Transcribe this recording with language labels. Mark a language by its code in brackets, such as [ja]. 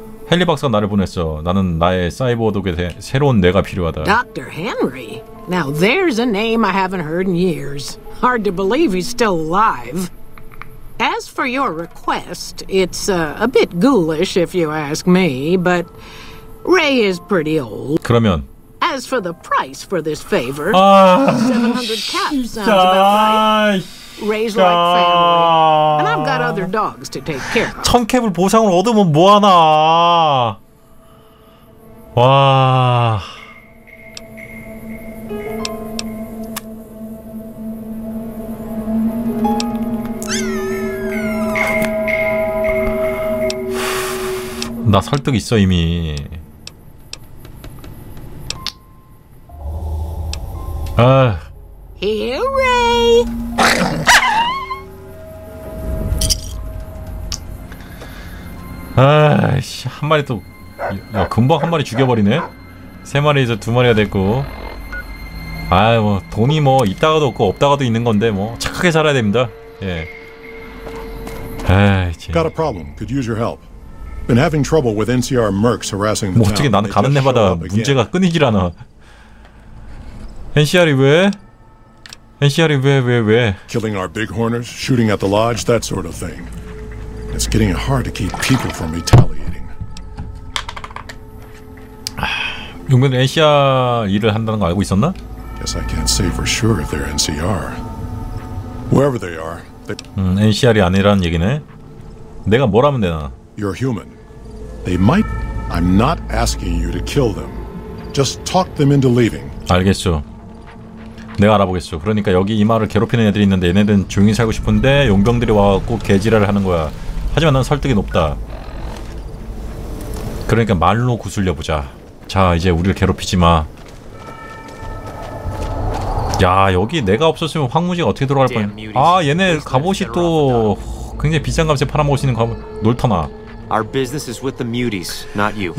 [ko] 헨리 박사가 나를 보냈어. 나는 나의 사이버 도구에 새로운 뇌가 필요하다. [en] Dr. Henry. Now there's a name I haven't heard in years. Hard to believe he's still alive. As for your request, it's a bit ghoulish if you ask me, but Ray is pretty old. [ko] 그러면 [en] As for the price for this favor, [ko] 아, [en] 700 caps sounds about right. Ray's like family. And I've got other dogs to take care of. [ko] 천 캡을 보상을 얻으면 뭐 하나. 와. 나 설득 있어 이미. 아. [en] Here, Ray. [ko] 아이씨, 한 마리 또. 야, 금방 한 마리 죽여버리네. 세 마리에서 두 마리가 됐고. 아이, 뭐 돈이 뭐 있다가도 없고 없다가도 있는 건데 뭐 착하게 살아야 됩니다. 예. 아이씨. [en] Got a problem. Could use your help. Been having trouble with NCR mercs harassing the town. [ko] 어떻게 나는 가는 데마다 문제가 끊이질 않아. NCR이 왜? NCR이 왜? [en] Killing our big horners, shooting at the lodge, that sort of thing. It's getting hard to keep people from retaliating. [ko] 용맨은 NCR 일을 한다는 거 알고 있었나? [en] Guess I can't say for sure if they're NCR. Wherever they are. [ko] NCR이 아니라는 얘기네. 내가 뭐라면 되나? [en] You're human. They might I'm not asking you to kill them. Just talk them into leaving. [ko] 알겠죠. 내가 알아보겠어. 그러니까 여기 이 마을을 괴롭히는 애들이 있는데 얘네들은 조용히 살고 싶은데 용병들이 와갖고 개지랄을 하는 거야. 하지만 난 설득이 높다. 그러니까 말로 구슬려보자. 자, 이제 우리를 괴롭히지 마. 야, 여기 내가 없었으면 황무지가 어떻게 들어갈 뻔. 아, 얘네 갑옷이 또 굉장히 비싼 값에 팔아먹을 수 있는 갑옷. 놀터나. [en] Our business is with the muties, not you.